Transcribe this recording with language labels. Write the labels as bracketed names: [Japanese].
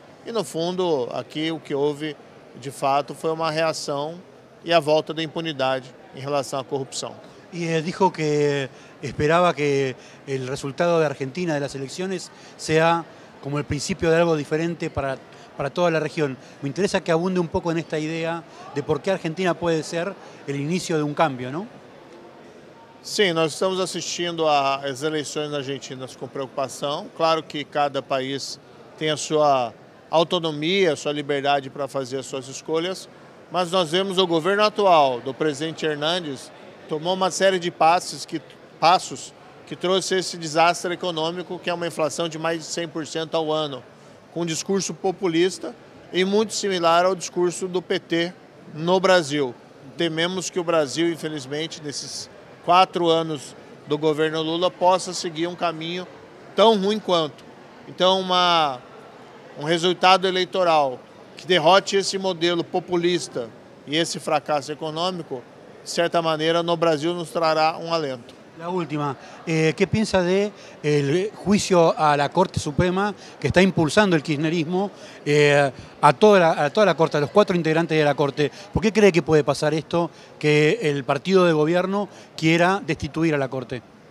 [Portuguese] E, no fundo, aqui o que houve, de fato, foi uma reação e a volta da impunidade em relação à corrupção. E ele disse que esperava que o resultado da Argentina, das eleições, seja como o princípio de algo diferente para [Spanish] toda la región. Me interesa que abunde un poco en esta idea de por qué Argentina puede ser el inicio de un cambio, ¿no? [Portuguese] Sí, nós estamos assistindo às eleições argentinas com preocupação. Claro que cada país tem a sua autonomia, a sua liberdade para fazer as suas escolhas, mas nós vemos o governo atual do presidente Hernández tomou uma série de passos que trouxe esse desastre econômico, que é uma inflação de mais de 100% ao ano, com um discurso populista e muito similar ao discurso do PT no Brasil. Tememos que o Brasil, infelizmente, nesses 4 anos do governo Lula, possa seguir um caminho tão ruim quanto. Então, um resultado eleitoral que derrote esse modelo populista e esse fracasso econômico, de certa maneira, no Brasil nos trará um alento. [Spanish] La última, ¿qué piensa de el juicio a la Corte Suprema que está impulsando el kirchnerismo a toda la Corte, a los 4 integrantes de la Corte? ¿Por qué cree que puede pasar esto, que el partido de gobierno quiera destituir a la Corte?